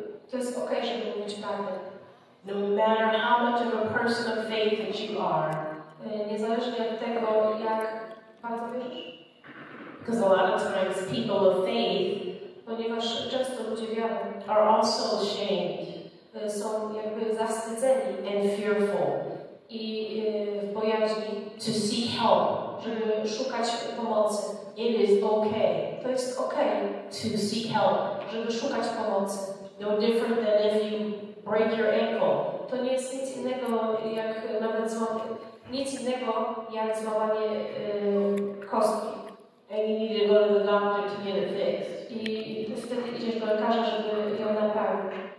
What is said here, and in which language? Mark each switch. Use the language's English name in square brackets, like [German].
[Polish] To jest okej, żeby mówić prawdę. [English] No matter how much of a person of faith that you are. [Polish] Niezależnie od tego, jak bardzo wierzysz. [English] Because a lot of times people of faith. [Polish] Ponieważ często ludzie wiarą. [English] Are also ashamed. [Polish] Są jakby zawstydzeni. [English] And fearful. [Polish] I w bojaźni. [English] To seek help. [Polish] Żeby szukać pomocy. [English] It is okay. [Polish] To jest okay. [English] To seek help. [Polish] Żeby szukać pomocy. [English] No different than if you break your ankle. [Polish] To nie jest nic innego jak nawet złamanie. Nic innego jak złamanie kostki. [English] And you need to go to the doctor to get it fixed. [Polish] I wtedy idziesz do lekarza, żeby ją naprawić.